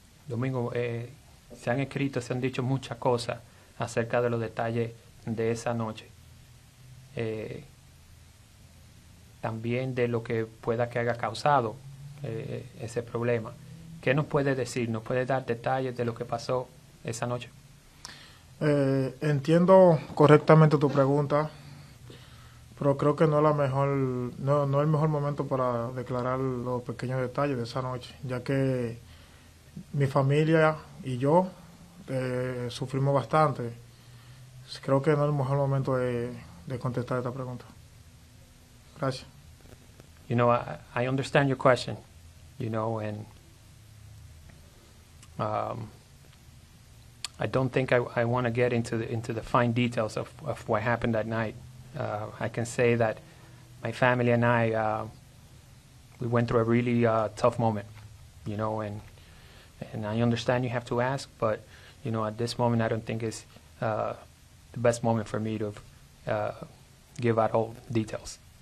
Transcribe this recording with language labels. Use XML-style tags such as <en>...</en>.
<en>And what do you think led to your actions? Why do you think you did them?</en> <es>Domingo, se han escrito, se han dicho muchas cosas acerca de los detalles de esa noche. También de lo que pueda que haya causado ese problema. ¿Qué nos puede decir? ¿Nos puede dar detalles de lo que pasó esa noche? Entiendo correctamente tu pregunta, pero creo que no es el mejor momento para declarar los pequeños detalles de esa noche, ya que mi familia y yo sufrimos bastante. Creo que no es el mejor momento de contestar esta pregunta. Gracias.</es> <en>You know, I understand your question, you know, and I don't think I want to get into the fine details of what happened that night. I can say that my family and I, we went through a really tough moment, you know, and I understand you have to ask, but, you know, at this moment, I don't think it's the best moment for me to give out all details.</en>